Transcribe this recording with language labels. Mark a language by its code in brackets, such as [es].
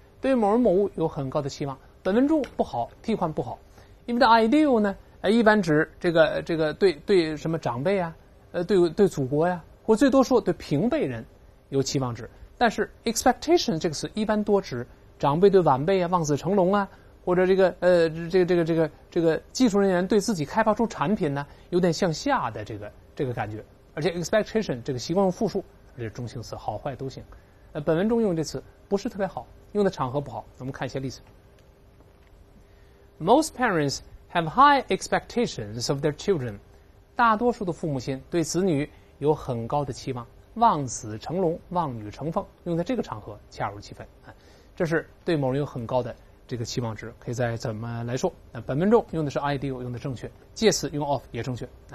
[zh] 对某人某物有很高的期望，本文中不好替换不好，因为的 ideal 呢一般指这个对什么长辈啊，对祖国呀，或最多说对平辈人有期望值，但是 expectation 这个词一般多指长辈对晚辈啊，望子成龙啊，或者这个技术人员对自己开发出产品呢，有点向下的这个感觉。而且 expectation 这个习惯用复数，而且中性词好坏都行。本文中用这词不是特别好，用的场合不好。我们看一些例子。 [en] Most parents have high expectations of their children. [zh] 大多数的父母亲对子女有很高的期望，望子成龙，望女成凤，用在这个场合恰如其分。这是对某人有很高的这个期望值，可以再怎么来说。本文中用的是 ideal， 用的正确，介词用 of 也正确。